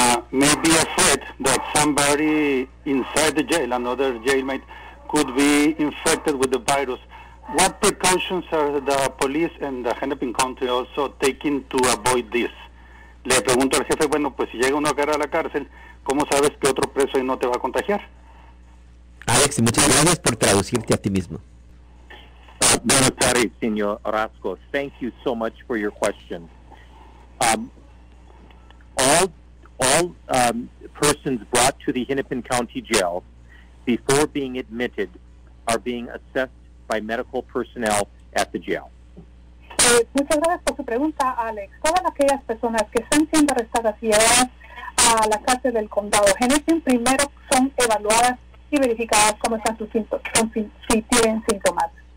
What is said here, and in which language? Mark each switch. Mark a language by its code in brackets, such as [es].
[en] May be afraid that somebody inside the jail, another jailmate, could be infected with the virus. What precautions are the police and the Hennepin County also taking to avoid this? [es] Le pregunto al jefe, bueno, pues si llega uno a caer a la cárcel, ¿cómo sabes que otro preso ahí no te va a contagiar? Alex, muchas gracias por traducirte a ti mismo. Buenas tardes, señor Orozco. [en] Thank you so much for your question. All persons brought to the Hennepin County Jail before being admitted are being assessed by medical personnel at the jail. [es] Muchas gracias por su pregunta, Alex. Todas aquellas personas que están siendo arrestadas y llevadas a la cárcel del condado Hennepin, primero son evaluadas y verificadas cómo están sus síntomas, si tienen síntomas.